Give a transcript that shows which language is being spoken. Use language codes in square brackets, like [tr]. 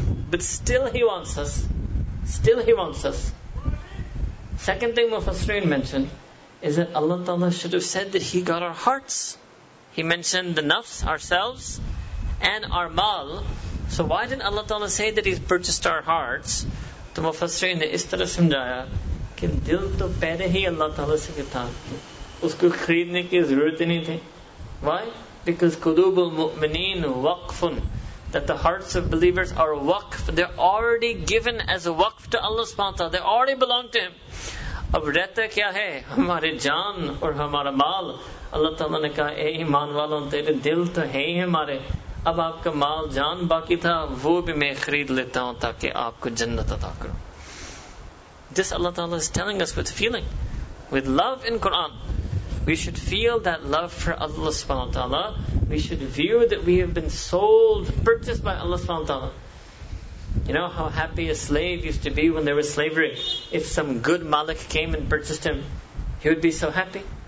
[en] But still He wants us. Still He wants us. Second thing Mufassirin mentioned is that Allah ta'ala should have said that He got our hearts. He mentioned the nafs, ourselves, and our mal. So why didn't Allah ta'ala say that He's purchased our hearts? [ur] To Mufassirin ne is tarah samjhaya, دل تو پہلے ہی اللہ تعالیٰ سے تھا, اس کو خریدنے کی ضرورت نہیں تھی. [en] Why? Because [ar] قلوب المؤمنین وقف, [en] that the hearts of believers are waqf, they're already given as a waqf to Allah subhanahu wa ta'ala, they already belong to Him. [ur] اب رہتا کیا ہے, ہمارے جان اور ہمارا مال. اللہ تعالیٰ نے کہا اے ایمان والوں, تیرے دل تو ہے ہی ہمارے, اب آپ کا مال جان باقی تھا, وہ بھی میں خرید لیتا ہوں تاکہ آپ کو جنت عطا کروں. [en] This Allah Ta'ala is telling us with feeling, with love in Quran. We should feel that love for Allah subhanahu wa ta'ala. We should view that we have been sold, purchased by Allah subhanahu wa ta'ala. You know how happy a slave used to be when there was slavery? If some good malik came and purchased him, he would be so happy.